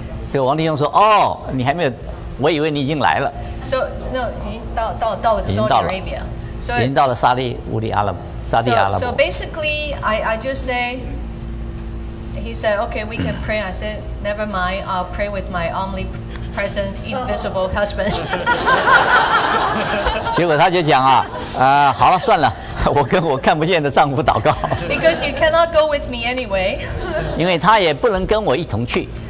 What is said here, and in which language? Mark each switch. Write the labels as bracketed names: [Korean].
[Chinese] 这个王弟兄说，哦，你还没有，我以为你已经来了。 [English] So, no, [Chinese] 已经到 Saudi Arabia. 已经到了沙利乌里阿拉伯，沙利阿拉伯。 [English] So basically, I just say, he said, okay, we can pray. I said, never mind, I'll pray with my omnipresent invisible husband. [Chinese] 结果他就讲啊，好了，算了。我跟我看不见的丈夫祷告。 [English] Because you cannot go with me anyway. [Chinese] 因为他也不能跟我一同去。